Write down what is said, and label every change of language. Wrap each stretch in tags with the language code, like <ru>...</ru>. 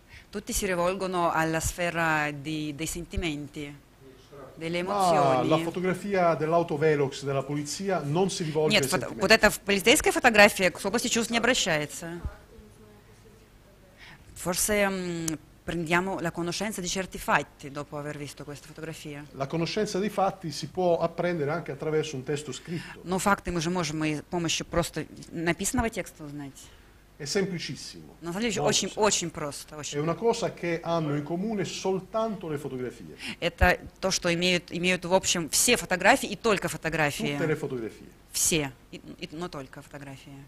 <it>Tutti si rivolgono alla sfera di, dei sentimenti, delle emozioni. Ma la fotografia dell'autovelox della polizia non si rivolge</it> <ru>Нет,</ru> <it>ai sentimenti.</it> <ru>Вот эта полицейская фотография к области чувств не обращается.</ru> <it>Forse prendiamo la conoscenza di certi fatti dopo aver visto questa fotografia. La conoscenza dei fatti si può apprendere anche attraverso un testo scritto.</it> <ru>Но факты мы же можем с помощью просто написанного текста узнать.</ru> <it>È semplicissimo.</it> <ru>На самом деле, очень, очень просто. Очень</ru> <it>è una cosa che hanno in comune soltanto le fotografie.</it> <ru>Это то, что имеют в общем все фотографии и только фотографии.</ru> <it>Tutte le fotografie.</it> <ru>Все, но только фотографии.</ru>